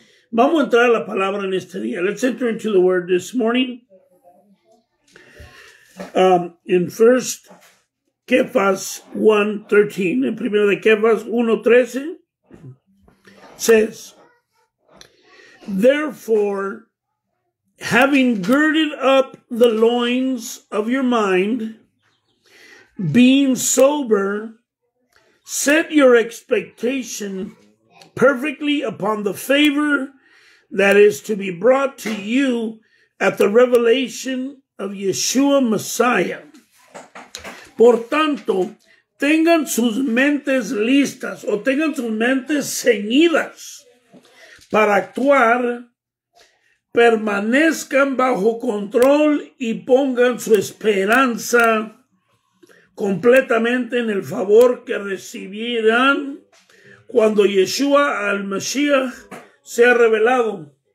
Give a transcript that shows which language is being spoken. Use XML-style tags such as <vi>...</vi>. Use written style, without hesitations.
<es>Vamos a entrar a la palabra en este día.</es> <en>Let's enter into the word this morning. In First Kefas 1:13,</en> <es>en Primera de Kefas 1:13,</es> <en>says, therefore, having girded up the loins of your mind, being sober, set your expectation perfectly upon the favor that is to be brought to you at the revelation of Yeshua Messiah.</en> <es>Por tanto, tengan sus mentes listas o tengan sus mentes ceñidas para actuar, permanezcan bajo control y pongan su esperanza completamente en el favor que recibirán cuando Yeshua al Mashiach sea revelado.</es>